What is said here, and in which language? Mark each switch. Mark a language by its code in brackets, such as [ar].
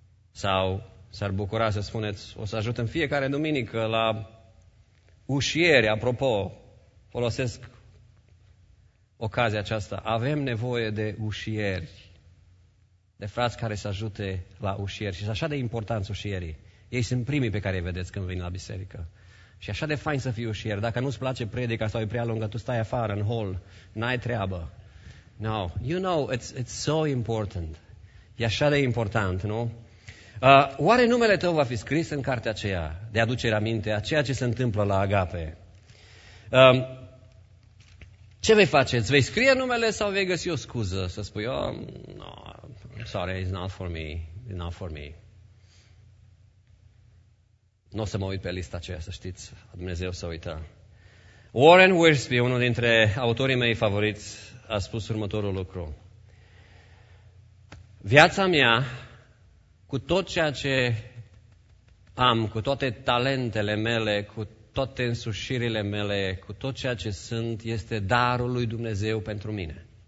[ro] Sau s-ar bucura să spuneți, o să ajut în fiecare duminică la ușieri, apropo, folosesc ocazia aceasta. Avem nevoie de ușieri, de frați care să ajute la ușieri. Și așa de importanți ușierii. Ei sunt primii pe care îi vedeți când vin la biserică. Și așa de fain să fii ușier. Dacă nu-ți place predica sau e prea lungă, tu stai afară, în hol, n-ai treabă. [en] No, you know, it's so important. [ro] E așa de important, nu? Oare numele tău va fi scris în cartea aceea de aducere aminte a ceea ce se întâmplă la Agape? Ce vei face? Îți vei scrie numele sau vei găsi o scuză? Să spui, [en] oh, no, I'm sorry, it's not for me, [ro] it's not for me. Nu o să mă uit pe lista aceea, să știți, Dumnezeu să uită. Warren Wiersbe, unul dintre autorii mei favoriți, a spus următorul lucru. Viața mea, cu tot ceea ce am, cu toate talentele mele, cu toate însușirile mele, cu tot ceea ce sunt, este darul lui Dumnezeu pentru mine.